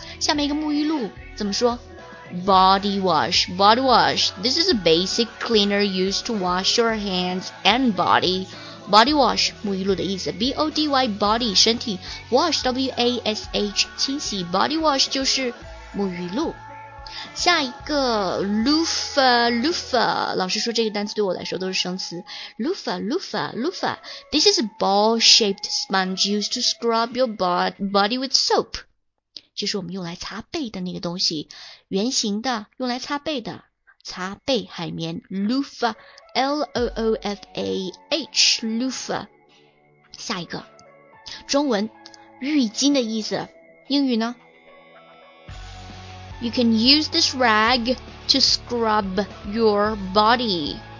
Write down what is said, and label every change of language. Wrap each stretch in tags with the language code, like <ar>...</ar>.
<zh>下面一个沐浴露怎么说？</zh> <en>Body wash, this is a basic cleaner used to wash your hands and body.</en> <zh>Body wash, 沐浴露的意思。 B-O-D-Y, body, 身体。 Wash, W-A-S-H, 清洗。 Body wash 就是沐浴露。下一个 loofah, 老师说这个单词对我来说都是生词。</zh> <en>loofah, this is a ball-shaped sponge used to scrub your body with soap.</en> <zh>就是我们用来擦背的那个东西，圆形的，用来擦背的，擦背海绵 loofah, L-O-O-F-A-H, loofah。下一个中文浴巾的意思，英语呢</zh> <en>You can use this rag to scrub your body.</en>